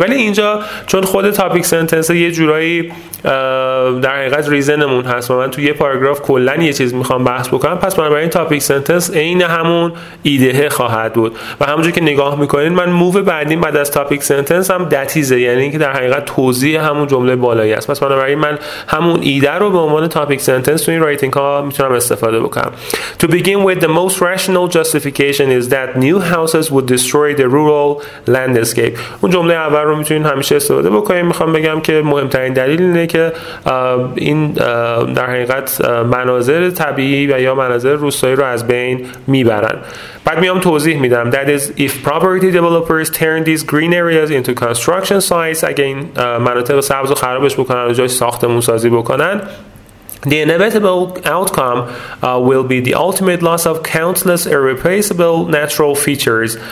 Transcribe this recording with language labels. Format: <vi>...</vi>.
<fa>ولی اینجا چون خود تاپیک سنتنس یه جورایی در حقیقت ریزنمون هست و من تو یه پاراگراف کلا یه چیز میخوام بحث بکنم، پس برای این تاپیک سنتنس عین همون ایده خواهد بود. و همونجوری که نگاه میکنین، من موو بعدی بعد از تاپیک سنتنس هم دتیزه، یعنی اینکه در حقیقت توضیح همون جمله بالایی است. پس برای من همون ایده رو به عنوان تاپیک سنتنس تو این رایتینگ ها میتونم استفاده بکنم.</fa> <en>To begin with, the most rational justification is that new houses would destroy the rural landscape.</en> <fa>اون جمله اول رو میتونین همیشه استفاده بکنین. میخوام بگم که مهمترین دلیل اینه که این در حقیقت مناظر طبیعی و یا مناظر روستایی رو از بین میبرن. بعد میام توضیح میدم.</fa> <en>That is, if property developers turn these green areas into construction sites, again,</en> <fa>مناطق سبز رو خرابش بکنن و جای ساختمون سازی بکنن،</fa> <en>the inevitable outcome will be the ultimate loss of countless irreplaceable natural features.</en>